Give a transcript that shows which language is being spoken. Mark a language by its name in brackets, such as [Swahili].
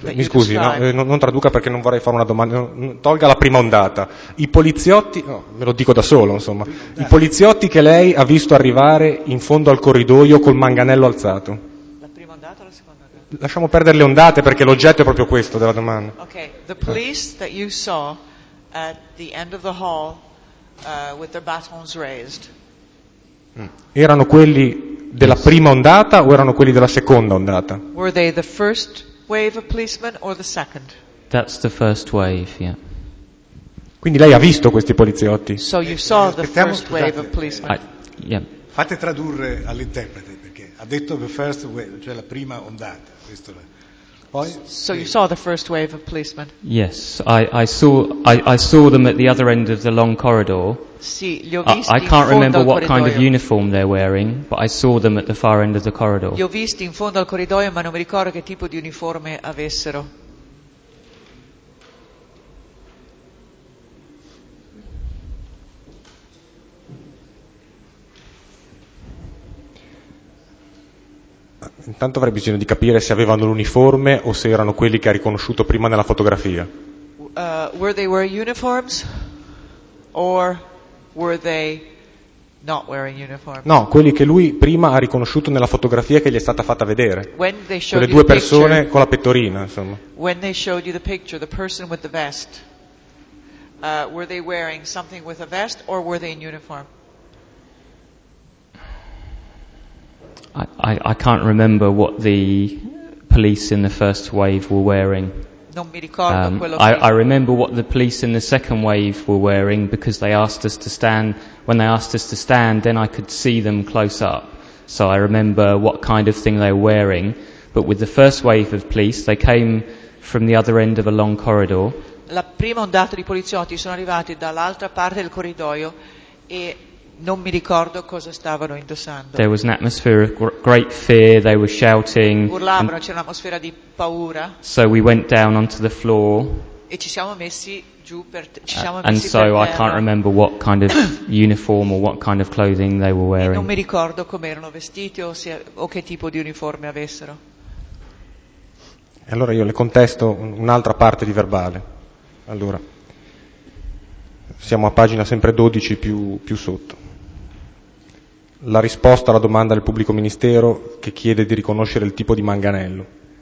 [Italian] mi scusi, no, non traduca perché non vorrei fare una domanda. Tolga la prima ondata. I poliziotti, no, me lo dico da solo, insomma. I poliziotti che lei ha visto arrivare in fondo al corridoio col manganello alzato. La prima ondata o la seconda ondata? Lasciamo perdere le ondate perché l'oggetto è proprio questo della domanda. [English] Ok, the police that you saw at the end of the hall with their batons raised. [Italian] Erano quelli della prima ondata o erano quelli della seconda ondata? [English] Were they the first wave of policemen or the second? That's the first wave, yeah. [Italian] Quindi lei ha visto questi poliziotti? [English] So you saw the first wave of policemen. Yeah. [Italian] Fate tradurre all'interprete perché ha detto [English] the first wave, [Italian] cioè la prima ondata, questo là. Poi [English] so you saw the first wave of policemen? Yes, I saw them at the other end of the long corridor. [Italian] Sì, li ho visti [English] I can't remember what kind of uniform they're wearing, but I saw them at the far end of the corridor. [Italian] Li ho visti in fondo al corridoio, ma non mi ricordo che tipo di uniforme avessero. Intanto avrei bisogno di capire se avevano l'uniforme o se erano quelli che ha riconosciuto prima nella fotografia. [English] Were they wearing uniforms or were they not wearing uniforms? [Italian] No, quelli che lui prima ha riconosciuto nella fotografia che gli è stata fatta vedere. [English] When they showed [Italian] quelle due [English] you the [Italian] persone [English] picture, [Italian] con la pettorina, insomma. [English] When they showed you the picture, the person with the vest, were they wearing something with a vest or were they in uniform? I can't remember what the police in the first wave were wearing. [Italian] Non mi ricordo quello [English] I remember what the police in the second wave were wearing because they asked us to stand. When they asked us to stand, then I could see them close up. So I remember what kind of thing they were wearing. But with the first wave of police, they came from the other end of a long corridor. [Italian] La prima ondata di poliziotti sono arrivati dall'altra parte del corridoio e non mi ricordo cosa stavano indossando. [English] There was an atmosphere of great fear, they were shouting. [Italian] Urlavano, c'era un'atmosfera di paura. [English] So we went down onto the floor. [Italian] E ci siamo messi giù per [English] And so I can't remember what kind of uniform or what kind of clothing they were wearing. [Italian] E non mi ricordo come erano vestiti o che tipo di uniforme avessero. E allora io le contesto un'altra parte di verbale. Allora siamo a pagina sempre 12 più sotto. La risposta alla domanda del pubblico ministero che chiede di riconoscere il tipo di manganello.